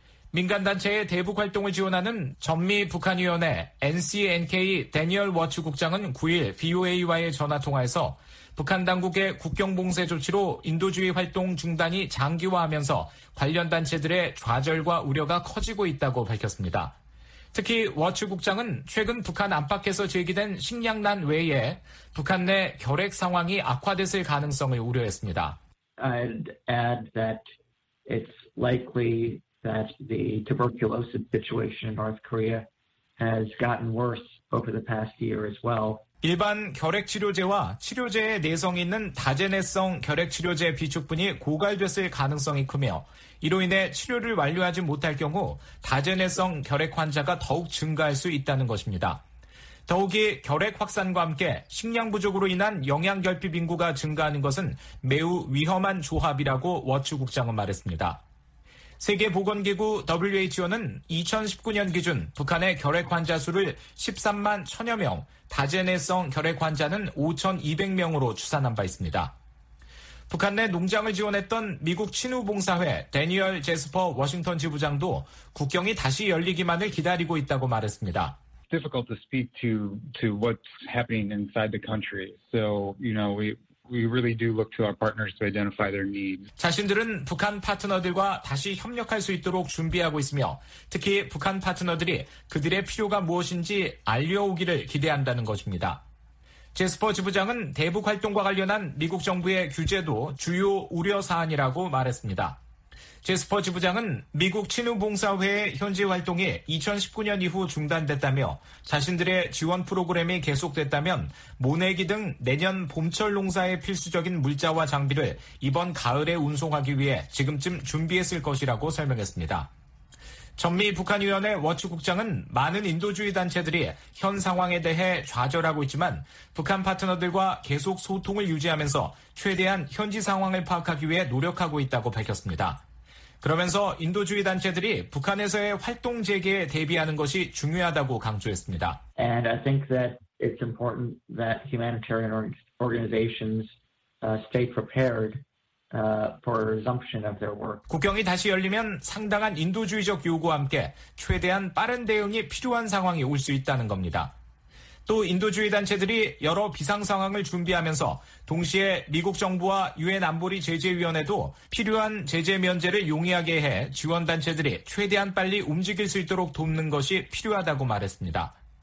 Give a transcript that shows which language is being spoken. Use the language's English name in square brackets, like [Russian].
[Korean] 민간단체의 대북 활동을 지원하는 전미 북한위원회 NCNK 대니얼 워츠 국장은 9일 VOA와의 전화통화에서 북한 당국의 국경 봉쇄 조치로 인도주의 활동 중단이 장기화하면서 관련 단체들의 좌절과 우려가 커지고 있다고 밝혔습니다. 특히 워츠 국장은 최근 북한 안팎에서 제기된 식량난 외에 북한 내 결핵 상황이 악화됐을 가능성을 우려했습니다. [English] I'd add that it's likely that the tuberculosis situation in North Korea has gotten worse over the past year as well. [Korean] 일반 결핵 치료제와 치료제에 내성이 있는 다제내성 결핵 치료제 비축분이 고갈됐을 가능성이 크며 이로 인해 치료를 완료하지 못할 경우 다제내성 결핵 환자가 더욱 증가할 수 있다는 것입니다. 더욱이 결핵 확산과 함께 식량 부족으로 인한 영양 결핍 인구가 증가하는 것은 매우 위험한 조합이라고 워츠 국장은 말했습니다. 세계보건기구 WHO는 2019년 기준 북한의 결핵 환자 수를 13만 1천여 명, 다제내성 결핵 환자는 5,200명으로 추산한 바 있습니다. 북한 내 농장을 지원했던 미국 친우봉사회 대니얼 제스퍼 워싱턴 지부장도 국경이 다시 열리기만을 기다리고 있다고 말했습니다. [English] Difficult to speak to what's happening inside the country. So, you know, we really do look to our partners to identify their needs. [Korean] 자신들은 북한 파트너들과 다시 협력할 수 있도록 준비하고 있으며 특히 북한 파트너들이 그들의 필요가 무엇인지 알려오기를 기대한다는 것입니다. 제스퍼 지부장은 대북 활동과 관련한 미국 정부의 규제도 주요 우려 사안이라고 말했습니다. 제스퍼 지부장은 미국 친우봉사회의 현지 활동이 2019년 이후 중단됐다며 자신들의 지원 프로그램이 계속됐다면 모내기 등 내년 봄철 농사에 필수적인 물자와 장비를 이번 가을에 운송하기 위해 지금쯤 준비했을 것이라고 설명했습니다. 전미 북한위원회 워츠 국장은 많은 인도주의 단체들이 현 상황에 대해 좌절하고 있지만 북한 파트너들과 계속 소통을 유지하면서 최대한 현지 상황을 파악하기 위해 노력하고 있다고 밝혔습니다. 그러면서 인도주의 단체들이 북한에서의 활동 재개에 대비하는 것이 중요하다고 강조했습니다. [English] And I think that it's important that humanitarian organizations stay prepared for resumption of their work. [Korean] 국경이 다시 열리면 상당한 인도주의적 요구와 함께 최대한 빠른 대응이 필요한 상황이 올 수 있다는 겁니다. 또 인도주의 단체들이 여러 비상 상황을 준비하면서 동시에 미국 정부와 유엔 안보리 제재위원회도 필요한 제재 면제를 용이하게 해 지원 단체들이 최대한 빨리 움직일 수 있도록 돕는 것이 필요하다고 말했습니다.